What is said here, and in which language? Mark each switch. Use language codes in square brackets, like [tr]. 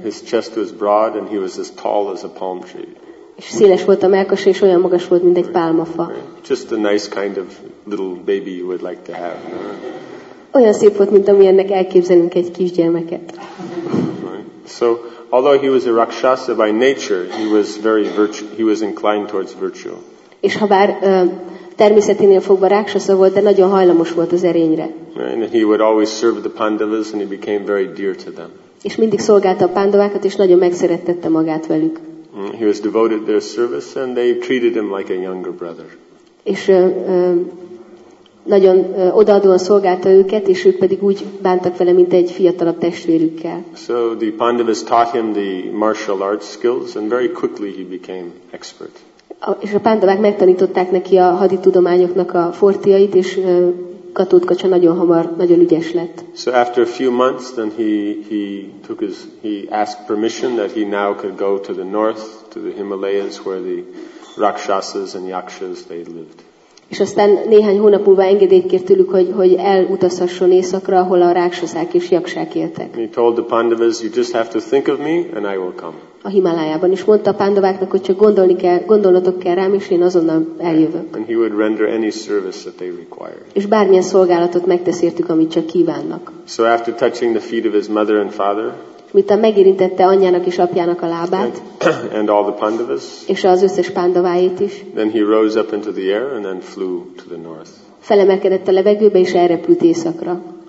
[en] His chest was broad, and he was as tall as a palm tree. [hu] És széles volt a mellkasa, és olyan magas volt, mint egy pálmafa. [en] Just a nice kind of little baby you would like to have. [hu] Olyan szép volt, mint amilyennek elképzelünk egy kisgyermeket. [en] So, although he was a rakshasa by nature, he was inclined towards virtue. [hu] És habár természeténél fogva rakshasa volt, de nagyon hajlamos volt az erényre. [en] And he would always serve the Pandavas, and he became very dear to them. [hu] És mindig szolgálta a Pandavákat, és nagyon megszerettette magát velük. [en] He was devoted to their service, and they treated him like a younger brother. [hu] És nagyon odaadóan szolgálta őket, és ők pedig úgy bántak vele, mint egy fiatalabb testvérükkel. [en] So the Pandavas taught him the martial arts skills, and very quickly he became expert. [hu] És a Pandavák megtanították neki a haditudományoknak a fortiait, és Ghatotkacha nagyon hamar, nagyon ügyes lett. [en] So after a few months, then he asked permission that he now could go to the north, to the Himalayas, where the rakshasas and yakshas they lived. [hu] És aztán néhány hónap múlva engedélyt kért tőlük, hogy elutazhasson északra, ahol a rákszák és jaksák éltek. [en] He told the Pandavas, you just have to think of me, and I will come. [hu] A Himalájában is mondta a Pandaváknak, hogy csak gondolni kell, gondolnatok kell rám, és én azonnal eljövök. [en] And he would render any service that they required. [hu] És bármilyen szolgálatot megtesz értük, amit csak kívánnak. [en] So after touching the feet of his mother and father, [hu] miután megérintette anyjának és apjának a lábát, [en] and all the Pandavas, [hu] és az összes Pandaváit is, [en] then he rose up into the air and then flew to the north. [hu] Felemelkedett a levegőbe és elrepült északra.